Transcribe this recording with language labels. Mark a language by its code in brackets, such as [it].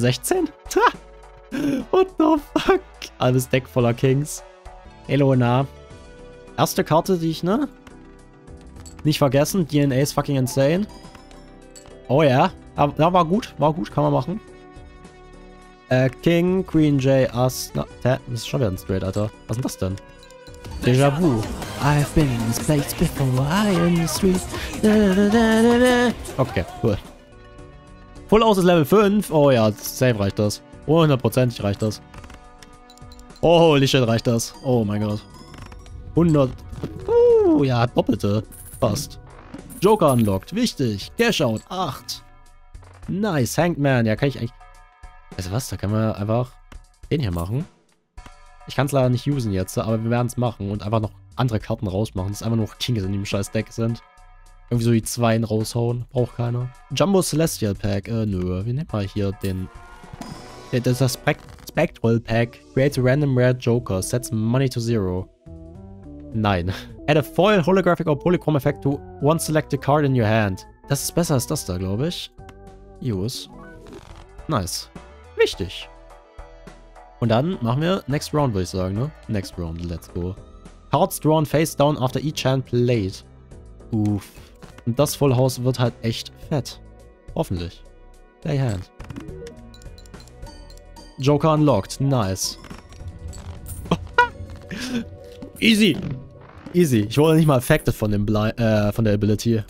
[de] 16? Ha! [en] What the fuck? [de] Alles Deck voller Kings. Elona. Erste Karte, die ich, ne? Nicht vergessen. DNA ist fucking insane. Oh ja. Yeah. War gut. War gut. Kann man machen. King, Queen, J, Ass. Na, das ist schon wieder ein Straight, Alter. Was ist das denn? Déjà vu. [en] I've been in this place before, high on the street. [de] Da, da, da, da, da. Okay, cool. Full aus ist Level 5. Oh ja, safe reicht das. 100%ig reicht das. Oh, [en] holy shit, [de] reicht das. Oh mein Gott. 100. Ja, doppelte. Fast. Joker unlocked. Wichtig. [en] Cash out. [de] 8. Nice. Hanged Man. Ja, kann ich eigentlich. Also was? Da können wir einfach den hier machen. Ich kann es leider nicht usen jetzt, aber wir werden es machen und einfach noch andere Karten rausmachen. Das ist einfach nur Kings in dem scheiß Deck sind. Irgendwie so die Zweien raushauen. Braucht keiner. Jumbo Celestial Pack. Nö. Wir nehmen mal hier den. Das ist das Spectral Pack. [en] Create a random rare Joker. Sets money to zero. [de] Nein. [en] Add a foil, holographic or polychrome effect to one selected card in your hand. [de] Das ist besser als das da, glaube ich. Use. Nice. Wichtig. Und dann machen wir next round, würde ich sagen, ne? [en] Next round, let's go. Cards drawn face down after each hand played. Uff. [de] Und das Full House wird halt echt fett. Hoffentlich. [en] Play hand. Joker unlocked. Nice. Easy. Easy. [de] Ich wurde nicht mal affected von dem von der Ability.